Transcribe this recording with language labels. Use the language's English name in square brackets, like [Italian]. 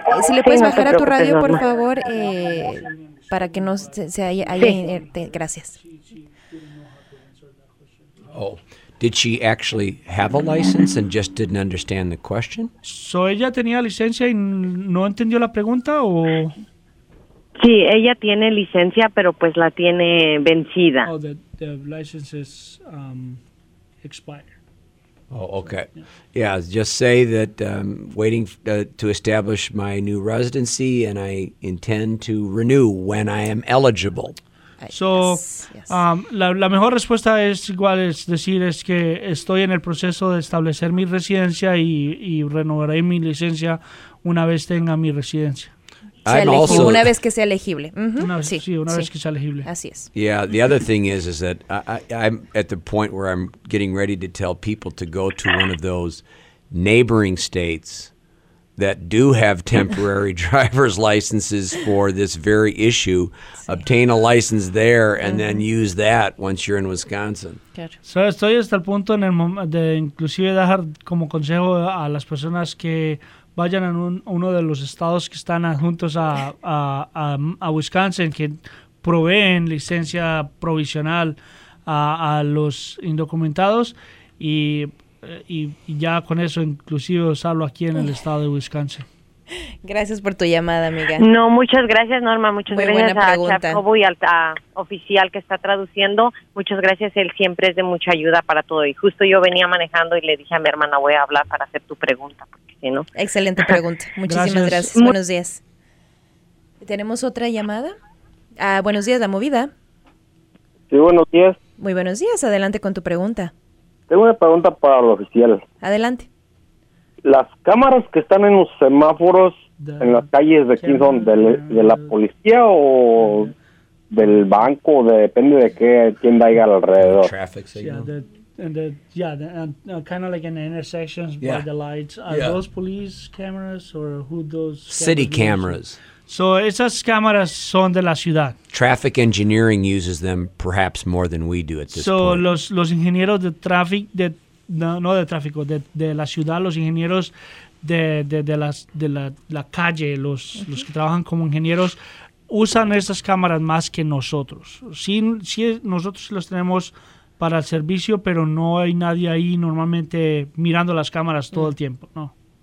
[Spanish] Si le puedes bajar a tu radio, por favor, para que no se haya... Gracias. [English] Oh, did she actually have a license and just didn't understand the question? [Spanish] So, ¿ella tenía licencia y no entendió la pregunta o...? Sí, ella tiene licencia, pero pues la tiene vencida. [English] Oh, the license is expired. Oh, okay. Yeah, just say that I'm waiting to establish my new residency and I intend to renew when I am eligible. Yes. [Spanish] La mejor respuesta es igual, es decir, es que estoy en el proceso de establecer mi residencia y renovaré mi licencia una vez tenga mi residencia. Una vez que sea elegible. Vez que sea elegible. Así es. [English] Yeah, the other thing is that I'm at the point where I'm getting ready to tell people to go to one of those neighboring states that do have temporary driver's licenses for this very issue. Obtain a license there and then use that once you're in Wisconsin. [Spanish] Claro. So estoy hasta el punto en el de inclusive dejar como consejo a las personas que vayan a uno de los estados que están adjuntos a Wisconsin, que proveen licencia provisional a los indocumentados, y ya con eso inclusive usarlo aquí en el estado de Wisconsin. Gracias por tu llamada, amiga. No, muchas gracias, Norma. Muchas Muy gracias a Jacobo y al oficial que está traduciendo. Muchas gracias. Él siempre es de mucha ayuda para todo. Y justo yo venía manejando y le dije a mi hermana, voy a hablar para hacer tu pregunta. ¿No? Excelente pregunta. Muchísimas gracias. Buenos días. ¿Tenemos otra llamada? Buenos días, La Movida. Sí, buenos días. Muy buenos días. Adelante con tu pregunta. Tengo una pregunta para el oficial. Adelante. Las cámaras que están en los semáforos en las calles de aquí son de la policía o del banco, depende de qué tienda haya alrededor. [English] And the kind of like an intersections by the lights. Are those police cameras or who those? City cameras. [Spanish] So esas cámaras son de la ciudad. [English] Traffic engineering uses them perhaps more than we do at this point. [Spanish] So los ingenieros de tráfico de la ciudad, los ingenieros de la calle, los que trabajan como ingenieros usan esas cámaras más que nosotros. Sí, nosotros los tenemos para el servicio, pero no hay nadie ahí normalmente mirando las cámaras todo el tiempo, ¿no?